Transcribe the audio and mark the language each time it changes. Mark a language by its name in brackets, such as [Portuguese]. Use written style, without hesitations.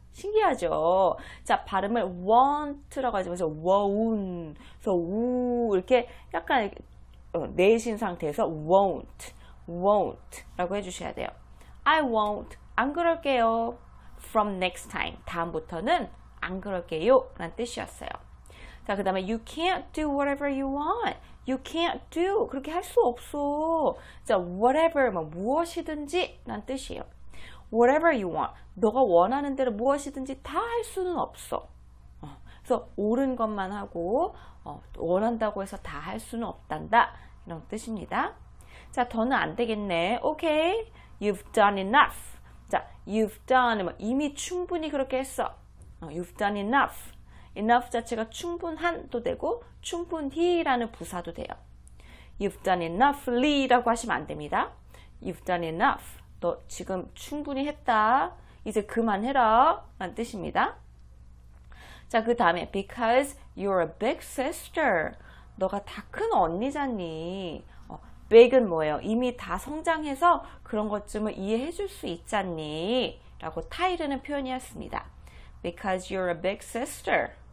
[Korean] 신기하죠? 자, 발음을 want라고 하지만 won. 그래서 우 이렇게 약간 내쉰 상태에서 won't라고 해주셔야 돼요. [English] I won't. [Korean] 안 그럴게요. [English] From next time. [Korean] 다음부터는 안 그럴게요. 라는 뜻이었어요. 자, 그 다음에 [English] you can't do whatever you want. You can't do. [Korean] 그렇게 할수 없어. [English] 자, whatever. [Korean] 뭐, 무엇이든지. 라는 뜻이에요. [English] Whatever you want. [Korean] 너가 원하는 대로 무엇이든지 다할 수는 없어. 그래서, 옳은 것만 하고, 원한다고 해서 다할 수는 없단다. 이런 뜻입니다. 자, 더는 안 되겠네. Okay. [English] You've done enough. 자, you've done. [Korean] 이미 충분히 그렇게 했어. [English] You've done enough. [Korean] Enough 자체가 충분한도 되고, 충분히라는 부사도 돼요. You've done enoughly라고 하시면 안 됩니다. [English] You've done enough. [Korean] 너 지금 충분히 했다. 이제 그만해라. 라는 뜻입니다. [English] 자, 그 다음에, because you're a big sister. [Korean] 너가 다큰 언니잖니. big은 뭐예요? 이미 다 성장해서 그런 것쯤을 이해해 줄수 있잖니. 라고 타 이르는 표현이었습니다. [English] Because you're a big sister.